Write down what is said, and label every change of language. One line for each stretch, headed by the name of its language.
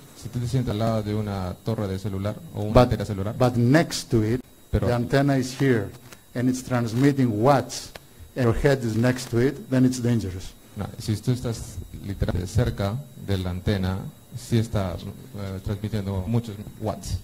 Spanish: si tú te sientas al lado de una torre de celular o una antena celular,
English: but next to it,
Spanish: pero
English: the antenna is here and it's transmitting watts, and your head is next to it, then it's dangerous.
Spanish: No, si tú estás literalmente cerca de la antena, sí está transmitiendo muchos watts.